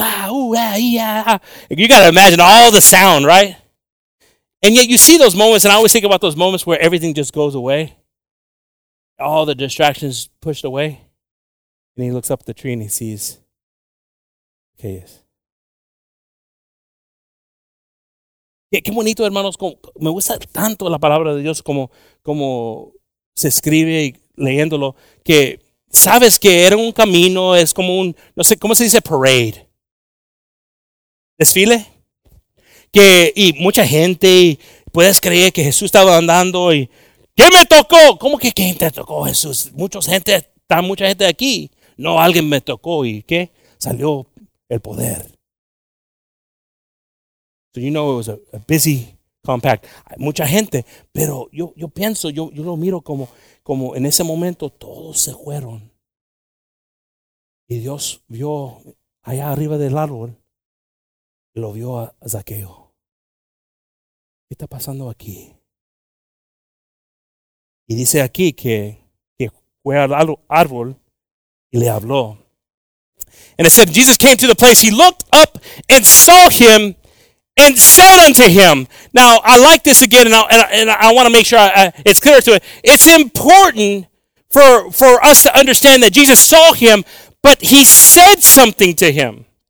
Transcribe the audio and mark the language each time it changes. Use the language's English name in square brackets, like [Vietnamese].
[English] You got to imagine all the sound, right? And yet you see those moments, and I always think about those moments where everything just goes away. All the distractions pushed away. And he looks up at the tree and he sees chaos. [Spanish] Qué bonito, hermanos. Me gusta tanto la palabra de Dios como se escribe leyéndolo. Que sabes que era un camino, es como un, no sé, ¿cómo se dice? [English] Parade. [Spanish] Desfile. Que, y mucha gente, y puedes creer que Jesús estaba andando y, ¿qué me tocó? ¿Cómo que quién te tocó, Jesús? Mucha gente aquí. No, alguien me tocó y ¿qué? Salió el poder. [English] So you know it was a busy compact. [Spanish] Mucha gente, pero yo pienso, yo lo miro como en ese momento todos se fueron. Y Dios vio allá arriba del árbol, lo vio a Zaqueo. ¿Qué está pasando aquí? Y dice aquí que fue al árbol y le habló. [English] And it said, Jesus came to the place, he looked up and saw him and said unto him. Now, I like this again, and I want to make sure it's clear to it. It's important for us to understand that Jesus saw him, but he said something to him.